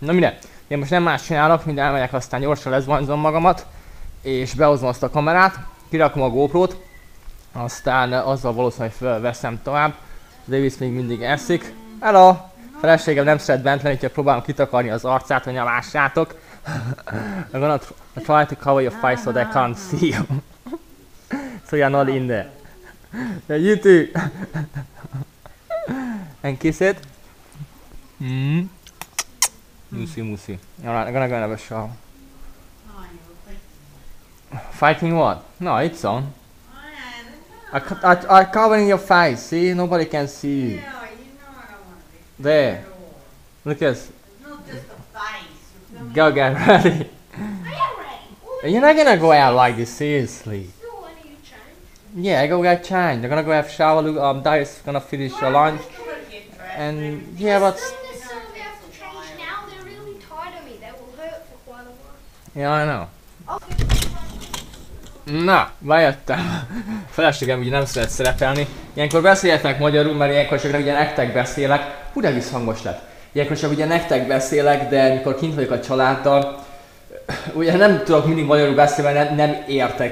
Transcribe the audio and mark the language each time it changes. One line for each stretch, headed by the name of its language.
Hungarian: Na minden, én most nem más csinálok, mind elmegyek, aztán gyorsan lezvonzom magamat, és behozom azt a kamerát, kirakom a GoPro-t, aztán azzal valószínűleg felveszem tovább. Davis még mindig eszik. Hello! Feleségem nem szeret bent lenni, hogyha próbálom kitakarni az arcát, hogy nyalássátok.
English: I'm gonna try to cover your face so they can't see you. So you're not in there. You too! And kiss it. Moosey, moosey. Alright, I'm gonna go and have a shower. Fighting what? No, it's on. I'm covering your face, see? Nobody can see you. Yeah, you know I don't want to be. There. Look at this. Not just the face. Go get ready. I am ready. You're not gonna go out like this, seriously. No, I need to change. Yeah, I go get changed. I'm gonna go have a shower. Look, Darius is gonna finish your lunch. And because yeah, but they have to change now, they're really tired of me. They will hurt for quite a while. Yeah, I know.
Hungarian: Na, bejöttem. Feleségem ugye nem szeret szerepelni. Ilyenkor beszéltek magyarul, mert ilyenkor csak ugye nektek beszélek. Hú, de egész hangos lett. Ilyenkor csak ugye nektek beszélek, de mikor kint vagyok a családdal, ugye nem tudok mindig magyarul beszélni, mert nem értek.